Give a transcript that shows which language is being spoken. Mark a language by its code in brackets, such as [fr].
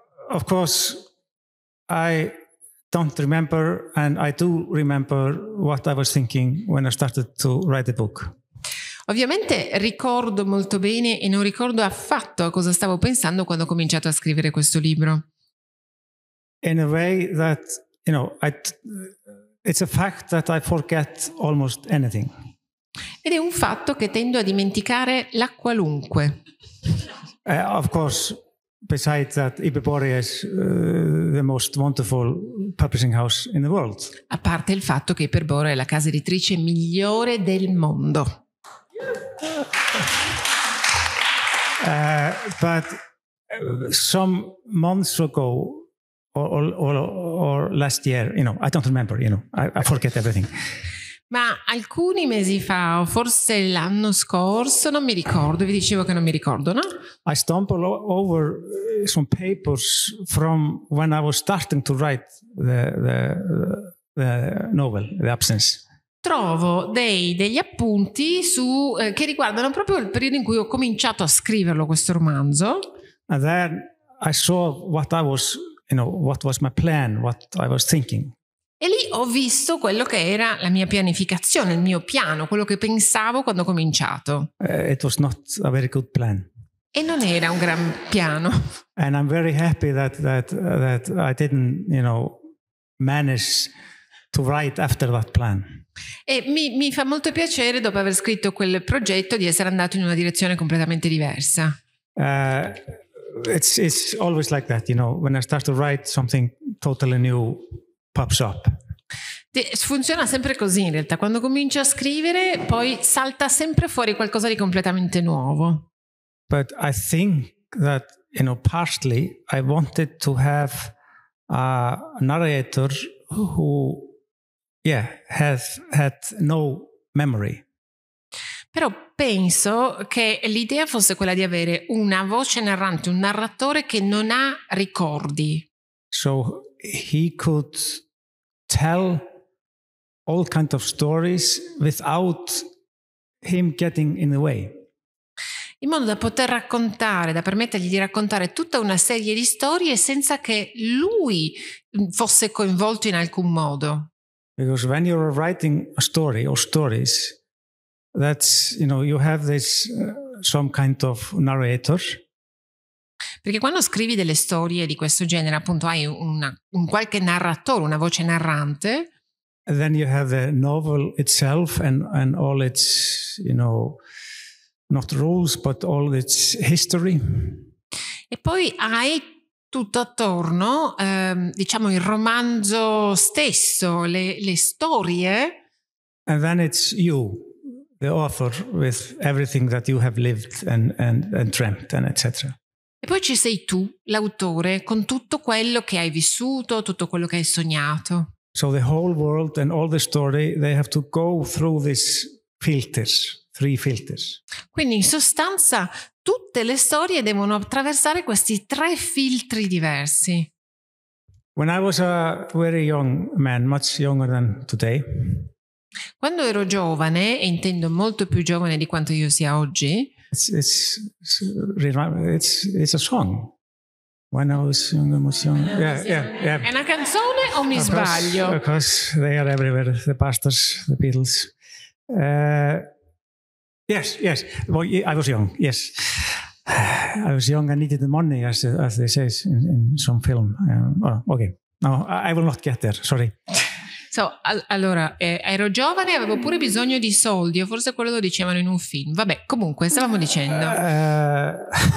[en] Of course, I don't remember and I do remember what I was thinking when I started to write the book. [it] Ovviamente ricordo molto bene e non ricordo affatto a cosa stavo pensando quando ho cominciato a scrivere questo libro. [en] In a way that, you know, it's a fact that I forget almost anything. [it] Ed è un fatto che tendo a dimenticare la qualunque. [en] Of course, besides that, Iberborea is the most wonderful publishing house in the world. [it] A parte il fatto che Iberborea è la casa editrice migliore del mondo. [en] But some months ago or last year, you know, I don't remember, you know, I forget everything. [it] Ma alcuni mesi fa, o forse l'anno scorso, non mi ricordo, vi dicevo che non mi ricordo, no? [en] I stumbled over some papers from when I was starting to write the novel, The Absence. [it] Trovo degli appunti su che riguardano proprio il periodo in cui ho cominciato a scriverlo questo romanzo. [en] And then I saw what I was you know, what was my plan, what I was thinking. [it] E lì ho visto quello che era la mia pianificazione, il mio piano, quello che pensavo quando ho cominciato. [en] It was not a very good plan. [it] E non era un gran piano. [en] And I'm very happy that I didn't, you know, manage to write after that plan. [it] E mi fa molto piacere, dopo aver scritto quel progetto, di essere andato in una direzione completamente diversa. [en] It's always like that, you know, when I start to write something totally new pops up. [it] Funziona sempre così in realtà, quando comincio a scrivere poi salta sempre fuori qualcosa di completamente nuovo. [en] But I think that, you know, partially I wanted to have a narrator who, yeah, had no memory. [it] Però penso che l'idea fosse quella di avere una voce narrante, un narratore che non ha ricordi. [en] So he could tell all kinds of stories without him getting in the way. [it] In modo da poter raccontare, da permettergli di raccontare tutta una serie di storie senza che lui fosse coinvolto in alcun modo. [en] Because when you're writing a story or stories, that's, you know, you have this some kind of narrator. [it] Perché quando scrivi delle storie di questo genere, appunto, hai un qualche narratore, una voce narrante. [en] And then you have the novel itself and all its, you know, not rules, but all its history. [it] E poi hai tutto attorno, diciamo, il romanzo stesso, le storie. [en] And then it's you, the author, with everything that you have lived and dreamt and etc. [it] E poi ci sei tu, l'autore, con tutto quello che hai vissuto, tutto quello che hai sognato. [en] So the whole world and all the story, they have to go through these filters, three filters. [it] Quindi in sostanza tutte le storie devono attraversare questi tre filtri diversi. [en] When I was a very young man, much younger than today. [it] Quando ero giovane, e intendo molto più giovane di quanto io sia oggi. [en] It's a song. When I was younger, much younger. Yeah. [it] È una canzone o mi sbaglio? [en] Because they are everywhere, the Pastors, the Beatles. Yes. Well, I was young. Yes, I was young. I needed the money, as they say in some film. Okay. No, I will not get there. Sorry. [it] So, allora, ero giovane, avevo pure bisogno di soldi, o forse quello lo dicevano in un film. Vabbè, comunque, stavamo dicendo.